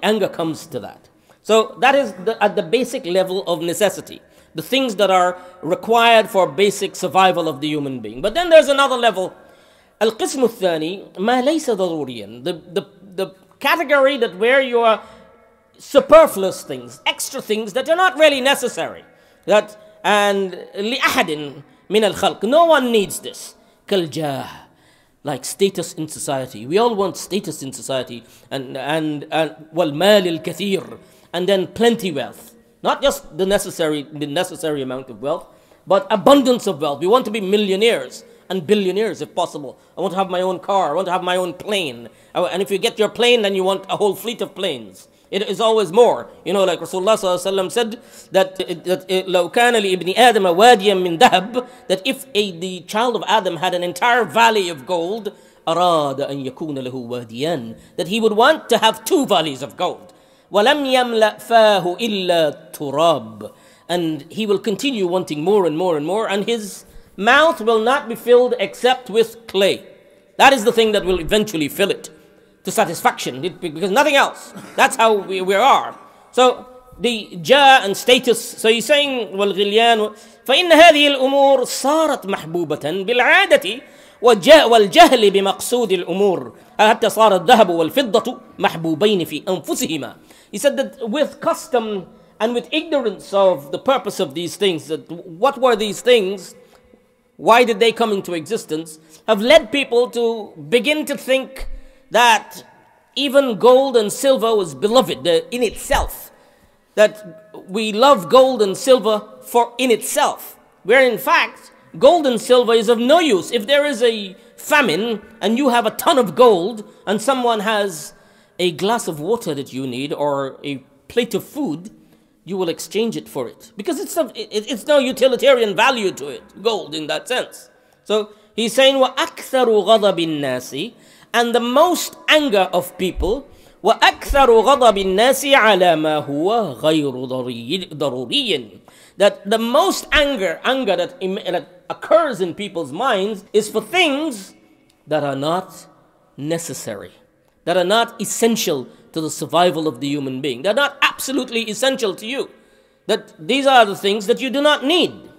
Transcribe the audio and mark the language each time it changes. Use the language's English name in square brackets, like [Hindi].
[English] The anger comes to that. So that is at the basic level of necessity, the things that are required for basic survival of the human being. But then there's another level. [Arabic] Al-qismu thani ma laysa daruriyan. [English] The category that where you are superfluous things, extra things that are not really necessary. That and [Arabic] لِأَحَدٍ مِنَ الْخَلْقِ. [English] No one needs this. كَالْجَاهِ. Like status in society. We all want status in society. [Arabic] And وَالْمَالِ الْكَثِيرِ. [English] And then plenty wealth. Not just the necessary amount of wealth, but abundance of wealth. We want to be millionaires and billionaires if possible. I want to have my own car. I want to have my own plane. And if you get your plane, then you want a whole fleet of planes. It is always more. You know, like Rasulullah sallallahu alayhi wa sallam said that [Arabic] لَوْ كَانَ لِإِبْنِ آدَمَ وَادِيًا مِّن دَهَبٍ. [English] That if the child of Adam had an entire valley of gold, [Arabic] أَرَادَ أَن يَكُونَ لَهُ وَادِيًا. [English] That he would want to have two valleys of gold. [Arabic] وَلَمْ يَمْلَأْ فَاهُ إِلَّا تُرَابٍ. [English] And he will continue wanting more and more and more, and his mouth will not be filled except with clay. That is the thing that will eventually fill it. To satisfaction, because nothing else. That's how we are. So the jah and status. So he's saying, والغليان. [Arabic] فإن هذه الأمور صارت محبوبة بالعادة والجهل بمقصود الأمور حتى صار الذهب والفضة محبوبين في أنفسهما. [English] He said that with custom and with ignorance of the purpose of these things, that what were these things? Why did they come into existence? Have led people to begin to think that even gold and silver was beloved in itself. That we love gold and silver for in itself. Where in fact, gold and silver is of no use. If there is a famine and you have a ton of gold and someone has a glass of water that you need or a plate of food, you will exchange it for it. Because it's no utilitarian value to it, gold in that sense. So he's saying, [Arabic] وَأَكْثَرُ غَضَبِ النَّاسِ. [English] And the most anger of people, [Arabic] وَأَكْثَرُ غَضَبِ النَّاسِ عَلَى مَا هُوَ غَيْرُ ضَرُورِيٍّ. [English] That the most anger that occurs in people's minds is for things that are not necessary, that are not essential to the survival of the human being, that are not absolutely essential to you, that these are the things that you do not need.